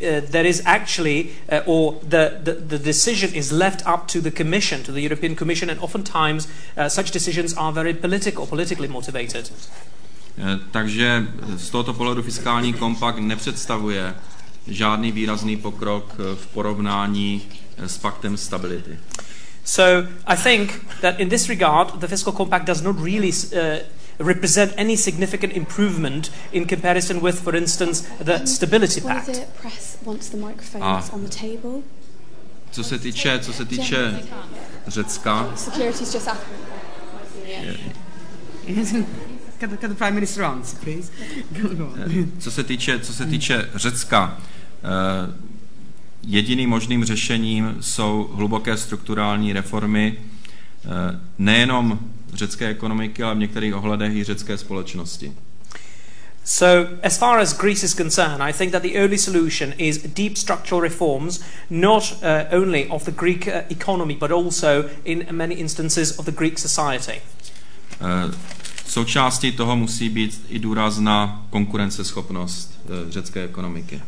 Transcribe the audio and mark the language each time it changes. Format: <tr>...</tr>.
<en>There is actually, or the decision is left up to the Commission, to the European Commission, and oftentimes such decisions are very politically motivated.</en> <cs>Takže z tohoto pohledu fiskální kompakt nepředstavuje žádný výrazný pokrok v porovnání s paktem stability.</cs> <en>So I think that in this regard, the fiscal compact does not really represent any significant improvement in comparison with, for instance, the stability pact. The press wants the microphone on the table.</en> <cs>Co se týče Řecka.</cs> <en>Security's just up. Can the Prime Minister answer, please?</en> <cs>Co se týče Řecka. Jediným možným řešením jsou hluboké strukturální reformy nejenom řecké ekonomiky, ale v některých ohledech i řecké společnosti.</cs> <en>So, as far as Greece is concerned, I think that the only solution is deep structural reforms, not only of the Greek economy, but also in many instances of the Greek society.</en> <cs>Součástí toho musí být i důraz na konkurenceschopnost řecké ekonomiky.</cs>